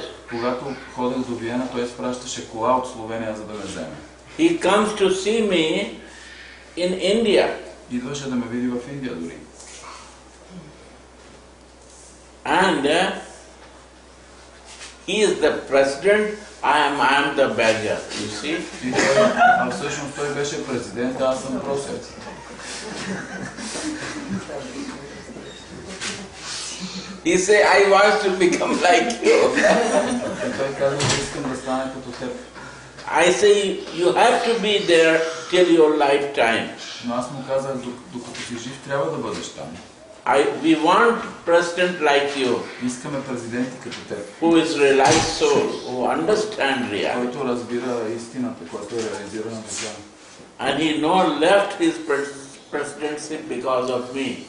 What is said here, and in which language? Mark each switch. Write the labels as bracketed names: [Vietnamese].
[Bulgarian] Когато ходил до Виена, той изпращаше кола от Словения, за да ме вземе. [English] He comes to see me in India. [Bulgarian] Идваше да ме види в Индия дори. [English] And he is the president, I am the badger, you see? [Bulgarian] Всъщност той беше президент, аз съм просец. [English] He say I want to become like you. [Bulgarian] Той каза, че искам да стане като теб. [English] I say you have to be there till your lifetime. [Bulgarian] Но аз му казах, докато си жив, трябва да бъдеш там. [English] We want president like you. [Bulgarian] Искаме президенти като теб. [English] Who is realized soul, who understand reality. [Bulgarian] Който разбира истината, която е реализирана душа. [English] And he not left his presidency because of me.